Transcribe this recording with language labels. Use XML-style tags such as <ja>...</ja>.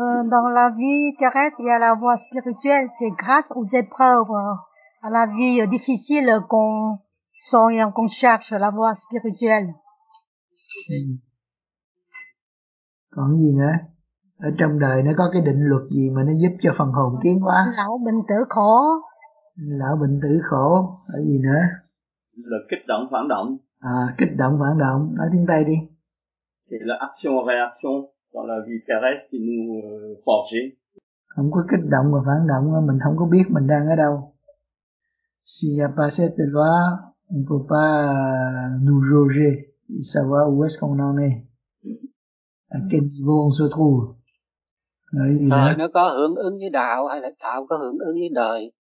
<fr>Dans la vie terrestre, il y a la voie spirituelle, c'est grâce aux épreuves, à la vie difficile qu'on sent et qu'on cherche la voie spirituelle.</fr> <vi>Còn gì nữa? Ở trong đời nó có cái định luật gì mà nó giúp cho phần hồn tiến hóa? Lão bệnh tử khổ. Lão bệnh tử khổ, ở gì nữa? Là kích động phản động. À, kích động phản động, nói tiếng Tây đi.</vi> <fr>C'est là action réaction. Dans la vie terrestre qui nous forge.</fr> <vi>Không có kích động và phản động, mình không có biết mình đang ở đâu.</vi> <fr>S'il n'y a pas cette loi, on ne peut pas nous jauger et savoir où est-ce qu'on en est. À quel niveau on se trouve.</fr> <vi>Đời nó có hưởng ứng với đạo hay là đạo có hưởng ứng với đời?</vi>